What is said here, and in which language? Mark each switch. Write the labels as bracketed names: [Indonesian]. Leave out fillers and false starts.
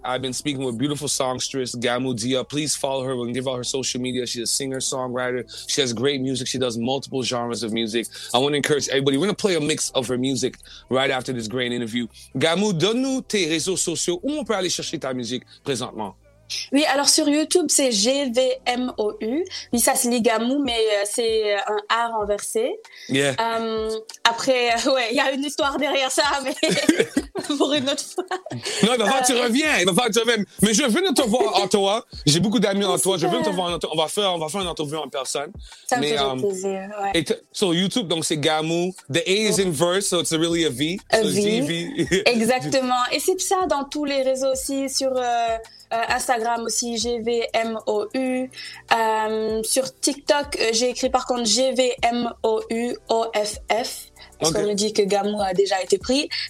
[English] I've been speaking with beautiful songstress Gamo Dia. Please follow her and give out her social media. She's a singer, songwriter. She has great music. She does multiple genres of music. I want to encourage everybody. We're going to play a mix of her music right after this great interview. [French] Gamo, donne-nous tes réseaux sociaux où on peut aller chercher ta musique présentement. Oui, alors sur YouTube, c'est G-V-M-O-U. Oui, ça se lit Gamou, mais c'est un A renversé. [English] Yeah. [French] Après, ouais, il y a une histoire derrière ça, mais pour une autre fois. Non, il va falloir que tu reviens. Mais je veux te voir en toi. J'ai beaucoup d'amis en toi. Je veux te voir en toi. On va faire une interview en personne. Ça me fait plaisir, ouais. Sur YouTube, donc c'est Gamou. [English] The A is inverse, so it's really a V. [French] V. Exactement. Et c'est ça dans tous les réseaux aussi, sur... Instagram aussi, G-V-M-O-U. Sur TikTok, j'ai écrit par contre G-V-M-O-U-O-F-F. Parce qu'on me dit que Gamou a déjà été pris.